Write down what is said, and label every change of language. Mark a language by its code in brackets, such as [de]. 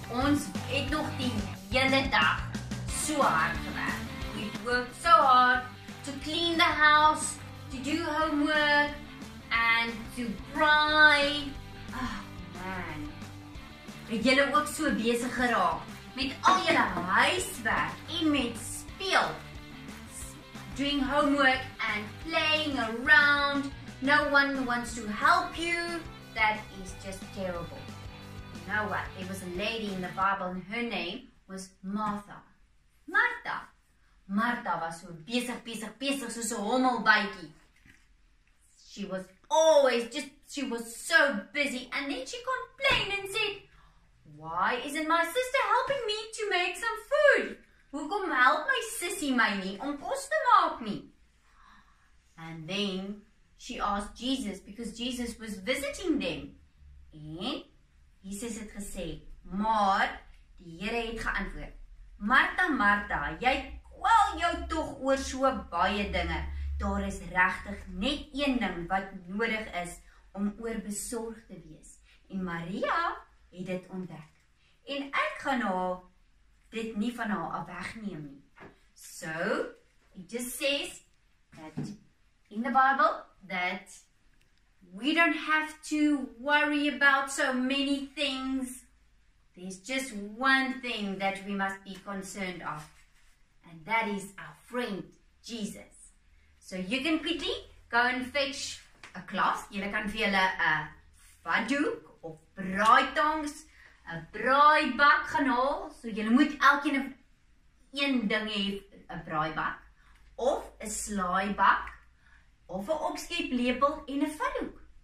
[af] Ons het nog die hele dag so hard gewerk. [en] We worked so hard to clean the house, to do homework and to braai. Oh man. [af] Het julle ook so besig geraak met al julle huiswerk en met speel? [en] Doing homework and playing around. No one wants to help you. That is just terrible. You know what? There was a lady in the Bible and her name was Martha. Martha. [af] Martha was so besig, soos 'n hommelbytjie. [en] She was always just, she was so busy. And then she complained and said, why isn't my sister helping me to make some food? [af] Hoekom help my sissie my nie om kos te maak nie? [en] And then she asked Jesus because Jesus was visiting them. [af] En Jesus het gesê, maar die Here het geantwoord, Martha, Martha, jy kwel jou tog oor so baie dinge. Daar is regtig net een ding wat nodig is om oor besorg te wees. En Maria het dit ontdek. En ek gaan haar dit nie van haar af wegneem nie. [en] So, it just says that in the Bible that we don't have to worry about so many things. There's just one thing that we must be concerned of. And that is our friend, Jesus. So you can quickly go and fetch a cloth. [af] Julle kan vir julle 'n vadoek of braaitongs, 'n braaibak gaan haal, so jy moet elkeen een ding hê, 'n braaibak of 'n slaaibak of 'n opskeplepel en 'n vathoek.